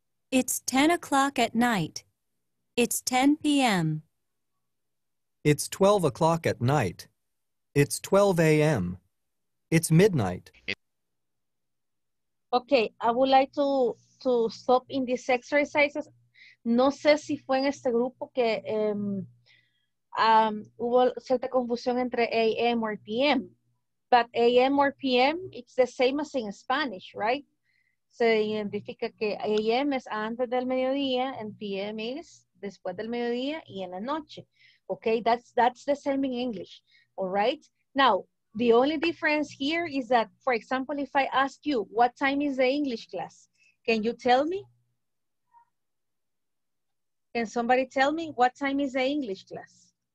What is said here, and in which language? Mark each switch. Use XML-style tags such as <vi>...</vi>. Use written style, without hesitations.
<en>It's 10 o'clock at night. It's 10 p.m. It's 12 o'clock at night. It's 12 a.m. It's midnight. Okay, I would like to stop in these exercises.</en> <es>No sé si fue en este grupo que hubo cierta confusión entre a.m.</es> <en>or p.m. But a.m. or p.m., it's the same as in Spanish, right?</en> <es>Se identifica que a.m. es antes del mediodía and p.m. is después del mediodía y en la noche.</es> <en>Okay, that's the same in English, all right? Now, the only difference here is that, for example, if I ask you, what time is the English class? Can you tell me? Can somebody tell me what time is the English class?</en>